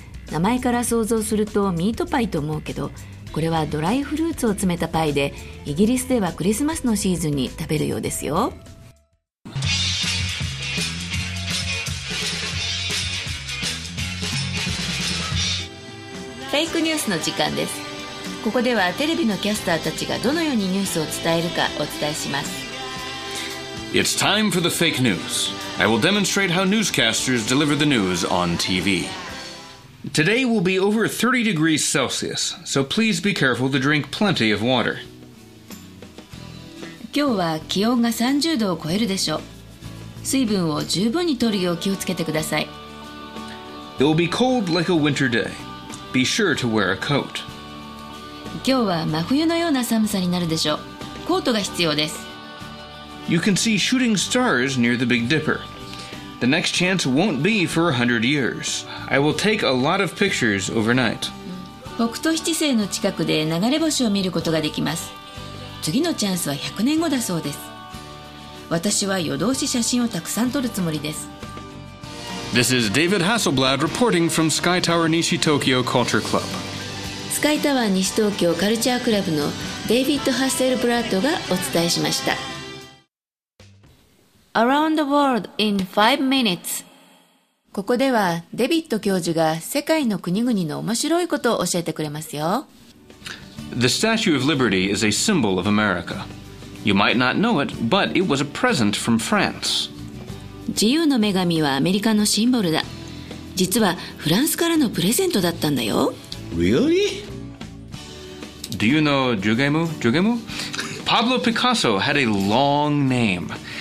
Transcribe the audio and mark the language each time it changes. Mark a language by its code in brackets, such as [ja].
[ja] 名前から想像するとミートパイと思うけど、これはドライフルーツを詰めたパイで、イギリスではクリスマスのシーズンに食べるようですよ。フェイクニュースの時間です。ここではテレビのキャスターたちがどのようにニュースを伝えるかお伝えします。 [en] It's time for the fake news. I will demonstrate how newscasters deliver the news on TV. Today will be over 30 degrees Celsius, so please be careful to drink plenty of water. [ja] 今日は気温が30度を超えるでしょう。水分を十分に取るよう気をつけてください。 [en] It will be cold like a winter day. Be sure to wear a coat. [ja] 今日は真冬のような寒さになるでしょう。コートが必要です。 [en] You can see shooting stars near the Big Dipper. The next chance won't be for 100 years. I will take a lot of pictures overnight. [ja] 北斗七星の近くで流れ星を見ることができます。次のチャンスは100年後だそうです。私は夜通し写真をたくさん撮るつもりです。 [en] This is David Hasselblad reporting from Sky Tower Nishi Tokyo Culture Club. [ja] スカイタワー西東京カルチャークラブのデイビッド・ハッセルブラッドがお伝えしました。 [en] Around the World in 5 Minutes。 [ja] ここではデビッド教授が世界の国々の面白いことを教えてくれますよ。 [en] The Statue of Liberty is a symbol of America. You might not know it, but it was a present from France. [ja] 自由の女神はアメリカのシンボルだ。実はフランスからのプレゼントだったんだよ。 [en] Really? Do you know Jugemu? Pablo Picasso had a long name.